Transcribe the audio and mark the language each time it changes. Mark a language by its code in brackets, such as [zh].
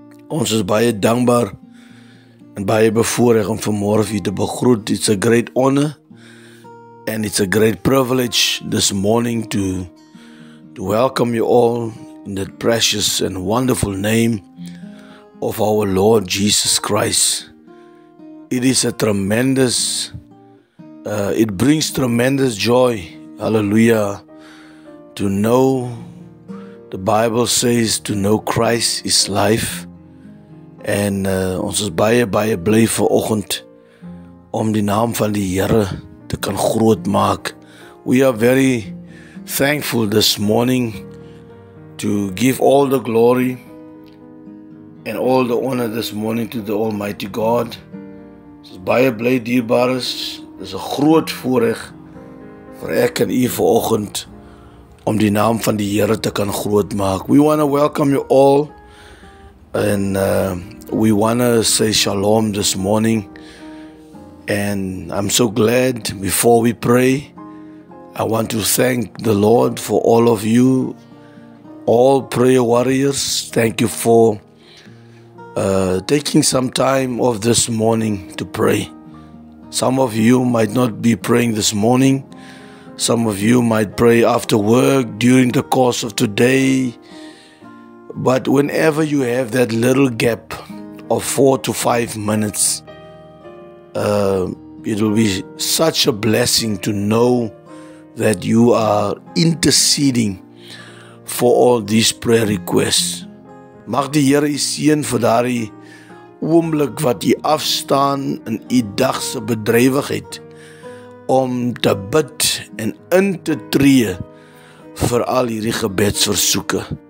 [af] Ons is baie dankbaar en baie bevoorreg om vanmorgen u te begroet. [en] It's a great honor and it's a great privilege this morning to welcome you all in the precious and wonderful name of our Lord Jesus Christ. It is a tremendous, it brings tremendous joy, hallelujah, to know, the Bible says, to know Christ is life. [af] And ons is baie, baie bly vanoggend om die naam van die Here te kan groot maak. [en] We are very thankful this morning to give all the glory and all the honor this morning to the Almighty God. [af] Dit is baie bly, dierbares. Dit is 'n groot voorreg vir ek en u vanoggend om die naam van die Here te kan groot maak. [en] We want to welcome you all and we want to say shalom this morning. And I'm so glad, before we pray, I want to thank the Lord for all of you, all prayer warriors. Thank you for taking some time off this morning to pray. Some of you might not be praying this morning. Some of you might pray after work, during the course of today. But whenever you have that little gap of 4 to 5 minutes, it will be such a blessing to know that you are interceding for all these prayer requests. [af] Mag die Here u seën vir daardie oomblik wat u afstaan in u dag se bedrywigheid om te bid en in te tree vir al hierdie gebedsversoeke.